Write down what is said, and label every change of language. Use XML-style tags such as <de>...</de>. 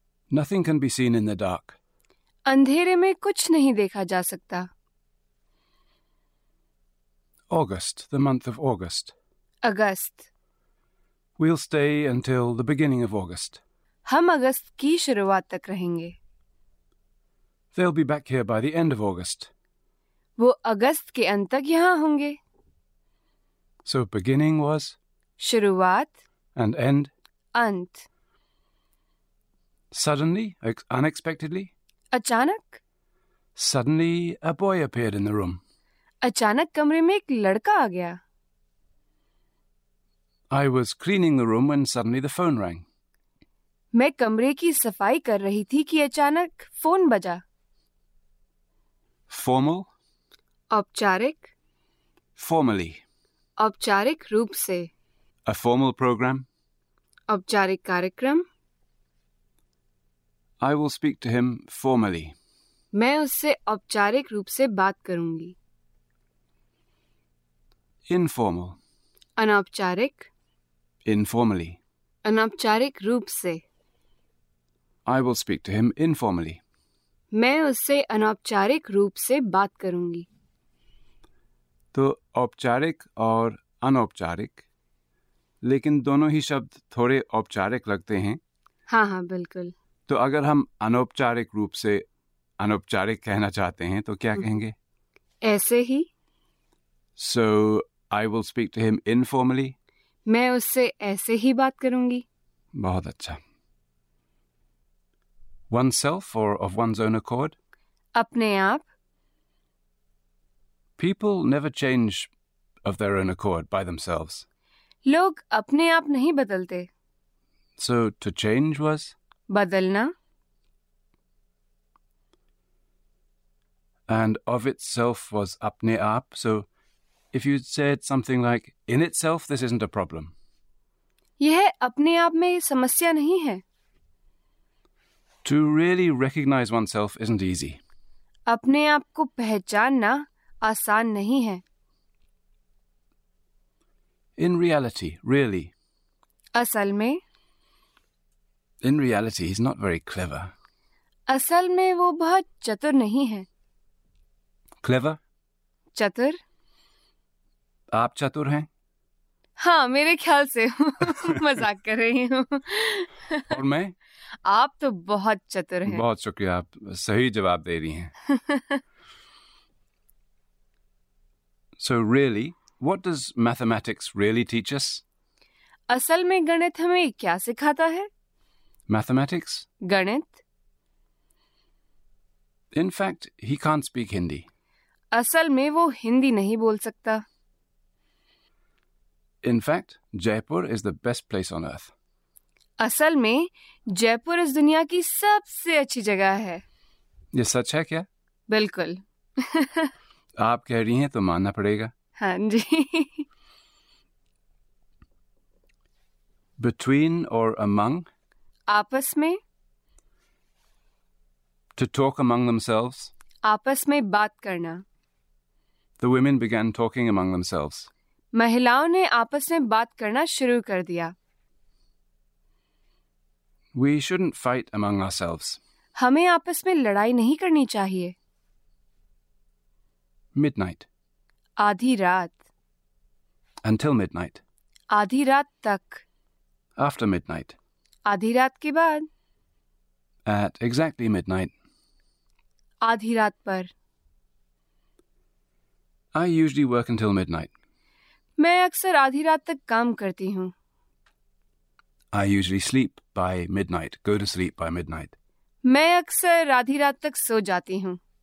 <en>Nothing can be seen in the dark.</en> <hi>अंधेरे में कुछ नहीं देखा जा सकता।</hi> <en>August, the month of August.</en> <hi>August.</hi> <en>We'll stay until the beginning of August.</en> <hi>हम अगस्त की शुरुआत तक रहेंगे।</hi> <en>They'll be back here by the end of August.</en> <hi>वो अगस्त के अंत तक यहाँ होंगे।</hi> <en>So beginning was</en> <hi>शुरुआत,</hi> <en>and end</en> <hi>अंत।</hi> <en>suddenly, unexpectedly,</en> <hi>अचानक,</hi> <en>suddenly a boy appeared in the room.</en> <hi>अचानक कमरे में एक लड़का आ गया।</hi> <en>I was cleaning the room when suddenly the phone rang.</en> <hi>मैं कमरे की सफाई कर रही थी कि अचानक फोन बजा।</hi> <en>Formal,</en> <hi>औपचारिक,</hi> <en>formally,</en> <hi>औपचारिक रूप से,</hi> <en>a formal program,</en> <hi>औपचारिक कार्यक्रम।</hi> <en>I will speak to him formally.</en> <hi>मैं उससे औपचारिक रूप से बात करूंगी।</hi> <en>Informal,</en> <hi>अनौपचारिक,</hi> <en>informally,</en> <hi>अनौपचारिक रूप से,</hi> <en>I will speak to him informally.</en> <hi>मैं उससे अनौपचारिक रूप से बात करूंगी। तो औपचारिक और अनौपचारिक, लेकिन दोनों ही शब्द थोड़े औपचारिक लगते हैं। हाँ हाँ बिल्कुल। तो अगर हम अनौपचारिक रूप से अनौपचारिक कहना चाहते हैं तो क्या कहेंगे? ऐसे ही।</hi> <en>So I will speak to him informally.</en> <hi>मैं उससे ऐसे ही बात करूंगी। बहुत अच्छा।</hi> <en>Oneself or of one's own accord?</en> <hi>अपने आप।</hi> <en>People never change of their own accord by themselves.</en> <hi>लोग अपने आप नहीं बदलते।</hi> <en>So to change was?</en> <hi>बदलना।</hi> <en>And of itself was</en> <hi>अपने आप.</hi> <en>So if you said something like, in itself this isn't a problem.</en> <hi>यह अपने आप में समस्या नहीं है।</hi> <en>To really recognize oneself isn't easy.</en> <hi>अपने आप को पहचानना आसान नहीं है।</hi> <en>In reality, really.</en> <hi>असल में।</hi> <en>In reality, he's not very clever.</en> <hi>असल में वो बहुत चतुर नहीं है।</hi> <en>Clever?</en> <hi>चतुर? आप चतुर हैं? हाँ, मेरे ख्याल से मजाक कर रही हूँ। और मैं? आप तो बहुत चतुर हैं। बहुत शुक्रिया, आप सही जवाब दे रही हैं।</hi> <en>So really, what does mathematics really teach us?</en> <hi>असल में गणित हमें क्या सिखाता है?</hi> <en>Mathematics?</en> <hi>गणित?</hi> <en>In fact, he can't speak Hindi.</en> <hi>असल में वो हिंदी नहीं बोल सकता।</hi> <en>In fact, Jaipur is the best place on earth.</en> <hi>असल में जयपुर इस दुनिया की सबसे अच्छी जगह है। ये सच है क्या? बिल्कुल। आप कह रही हैं तो मानना पड़ेगा। हाँ जी।</hi> <en>Between or among?</en> <hi>आपस में।</hi> <en>To talk among themselves?</en> <hi>आपस में बात करना।</hi> <en>The women began talking among themselves.</en> <hi>महिलाओं ने आपस में बात करना शुरू कर दिया।</hi> <en>We shouldn't fight among ourselves.</en> <hi>हमें आपस में लड़ाई नहीं करनी चाहिए।</hi> <en>Midnight.</en> <hi>आधी रात।</hi> <en>Until midnight.</en> <hi>आधी रात तक।</hi> <en>After midnight.</en> <hi>आधी रात के बाद।</hi> <en>At exactly midnight.</en> <hi>आधी रात पर।</hi> <en>I usually work until midnight.</en> <hi>मैं अक्सर आधी रात तक काम करती हूँ।</hi> <en>I usually sleep by midnight. Go to sleep by midnight.</en> <hi>मैं अक्सर आधी रात तक सो जाती हूँ।</hi>